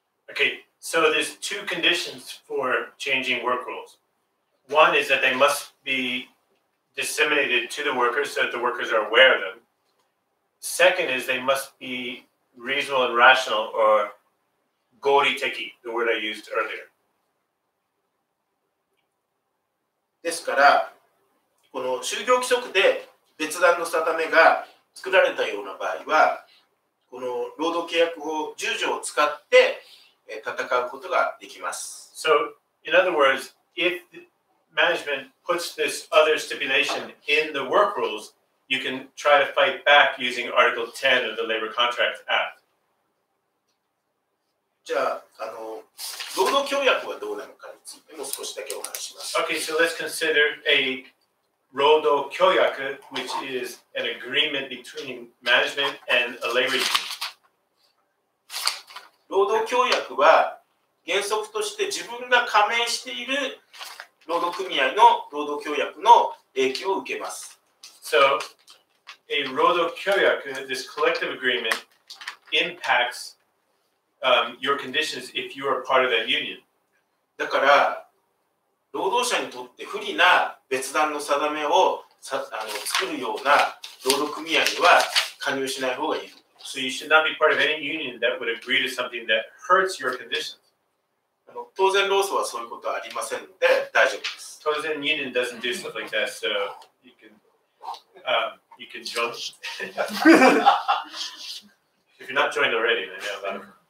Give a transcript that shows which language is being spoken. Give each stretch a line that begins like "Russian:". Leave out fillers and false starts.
English: Okay, so there's two conditions for changing work rules. One is that they must be disseminated to the workers so that the workers are aware of them. Second is they must be reasonable and rational or 合理的, the word I used earlier.
Japanese: ですからこの就業規則で別段の定めが作られたような場合は、この労働契約法10条を使って戦うことができます。
English: So, in other words, if management puts this other stipulation in the work rules, you can try to fight back using Article 10 of the Labor Contract Act.
Japanese: じゃあ、労働協約はどうなのかについてもう少しだけお話します。
English: Okay, so let's consider a... 労働協約 which is an agreement between management and a labor union.
Japanese: 労働協約は原則として自分が加盟している労働組合の労働協約の影響を受けます。
English: So, a 労働協約 this collective agreement, impacts, your conditions if you are part of that union.
Japanese: だから労働者にとって不利な別段の定めを作るような労働組合には加入しない方がいい。
English: So you should not be part of any union that would agree to something that hurts your conditions.
Japanese: 当然労組はそういうことはありませんので大丈夫です。当然
English: union doesn't do stuff like that, so you can join. If you're not joined already, then yeah, that's all right.